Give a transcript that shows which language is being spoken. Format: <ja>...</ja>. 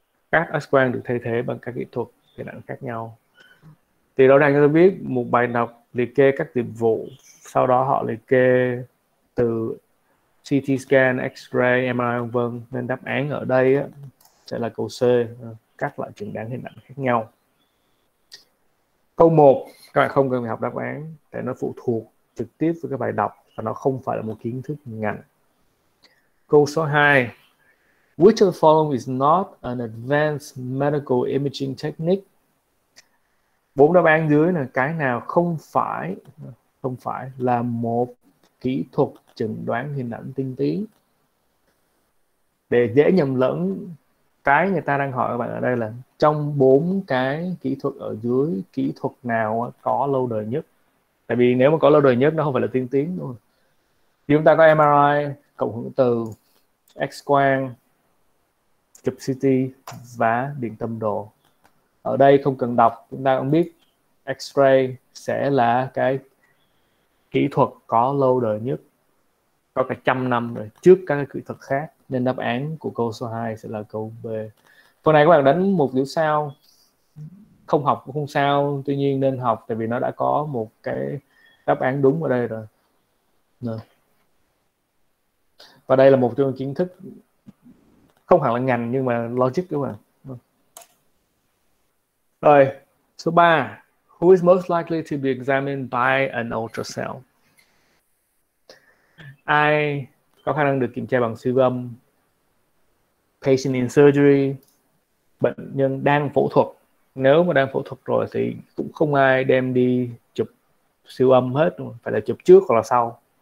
<vi>Các X-quang được thay thế bằng các kỹ thuật hình ảnh khác nhau. Thì rõ ràng cho tôi biết một bài đọc liệt kê các dịch vụ, sau đó họ liệt kê từ CT scan, X-ray, MRI v.v. Nên đáp án ở đây á, sẽ là câu C, các loại chẩn đoán hình ảnh khác nhau. Câu 1, các bạn không cần phải học đáp án, tại nó phụ thuộc trực tiếp với cái bài đọc và nó không phải là một kiến thức ngành. Câu số 2.</vi> <en>Which of the following is not an advanced medical imaging technique?</en> <vi>Bốn đáp án dưới là cái nào không phải là một kỹ thuật chẩn đoán hình ảnh tiên tiến. Để dễ nhầm lẫn, cái người ta đang hỏi các bạn ở đây là trong bốn cái kỹ thuật ở dưới, kỹ thuật nào có lâu đời nhất? Tại vì nếu mà có lâu đời nhất nó không phải là tiên tiến thôi. Chúng ta có MRI, cộng hưởng từ, X quang, chụp CT và điện tâm đồ. Ở đây không cần đọc, chúng ta cũng biết X-ray sẽ là cái kỹ thuật có lâu đời nhất, có cả trăm năm rồi, trước các kỹ thuật khác, nên đáp án của câu số 2 sẽ là câu B. Phần này các bạn đánh một điểm sao, không học cũng không sao, tuy nhiên nên học tại vì nó đã có một cái đáp án đúng ở đây rồi. Rồi. Và đây là một trong kiến thức không hẳn là ngành nhưng mà logic đúng không ạ? Rồi, số 3.</vi> <en>Who is most likely to be examined by an ultrasound?</en> <vi>Ai có khả năng được kiểm tra bằng siêu âm?</vi> <en>Patient in surgery,</en> <vi>bệnh nhân đang phẫu thuật. Nếu mà đang phẫu thuật rồi thì cũng không ai đem đi chụp siêu âm hết, phải là chụp trước hoặc là sau.</vi>